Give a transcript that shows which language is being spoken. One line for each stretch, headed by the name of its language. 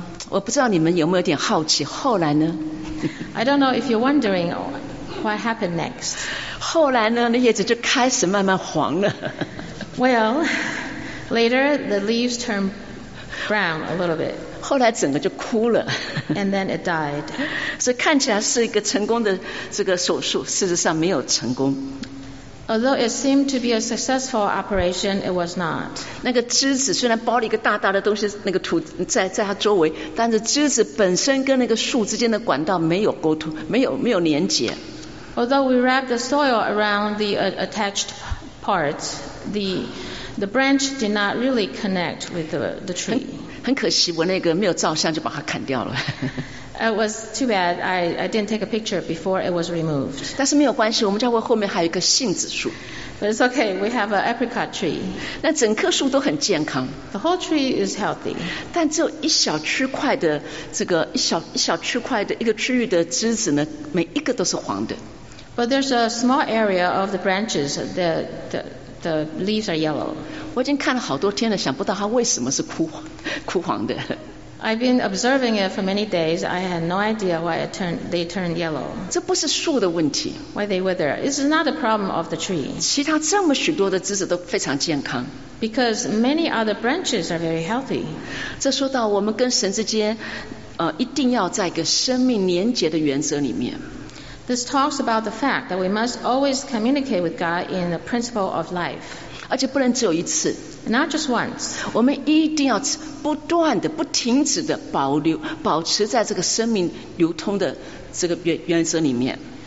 Chinese: 我不知道你们有没有点好奇，后来呢
English: ？I don't know if you're wondering what happened next.
Chinese: 后来呢，那叶子就开始慢慢黄了。
English: Well, later the leaves turned brown a little bit.
Chinese: 后来整个就枯了。
English: And then it died.
Chinese: 所以看起来是一个成功的这个手术，事实上没有成功。
English: Although it seemed to be a successful operation, it was not.
Chinese: 那个枝子虽然包了一个大大的东西，那个土在它周围，但是枝子本身跟那个树之间的管道没有沟通，没有连接。
English: Although we wrapped the soil around the attached parts, the branch did not really connect with the tree.
Chinese: 很可惜我那个没有照相就把它砍掉了。
English: It was too bad. I didn't take a picture before it was removed.
Chinese: 但是没有关系，我们教会后面还有一个杏子树。
English: But it's okay. We have an apricot tree.
Chinese: 那整棵树都很健康。
English: The whole tree is healthy.
Chinese: 但只有一小区块的这个一小区块的一个区域的枝子呢，每一个都是黄的。
English: But there's a small area of the branches that the leaves are yellow.
Chinese: 我已经看了好多天了，想不到它为什么是枯黄的。
English: I've been observing it for many days. I had no idea why they turned yellow.
Chinese: 这不是树的问题。
English: Why they wither? This is not a problem of the tree.
Chinese: 其他这么许多的枝子都非常健康。
English: Because many other branches are very healthy.
Chinese: 这说到我们跟神之间，一定要在一个生命连结的原则里面。
English: This talks about the fact that we must always communicate with God in the principle of life.
Chinese: 而且不能只有一次。
English: Not just once.
Chinese: 我们一定要不断的、不停止的保持在这个生命流通的这个原则里面。